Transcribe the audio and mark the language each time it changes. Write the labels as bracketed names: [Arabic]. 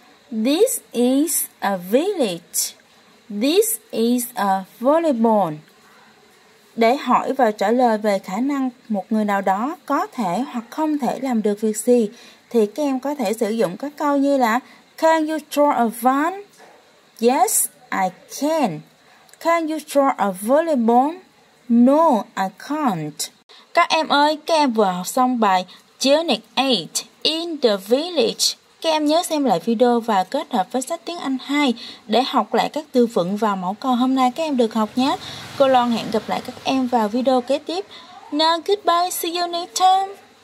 [English] This is a village. This is a volleyball. [Vietnamese] Để hỏi và trả lời về khả năng một người nào đó có thể hoặc không thể làm được việc gì thì các em có thể sử dụng các câu như là [English] Can you draw a van? Yes, I can. Can you draw a volleyball? No, I can't. [Vietnamese] Các em ơi, các em vừa học xong bài Journey 8 [English] in the village. [Vietnamese] Các em nhớ xem lại video và kết hợp với sách tiếng Anh 2 để học lại các từ vựng và mẫu câu hôm nay các em được học nhé. Cô Loan hẹn gặp lại các em vào video kế tiếp. [English] Now goodbye, see you next time.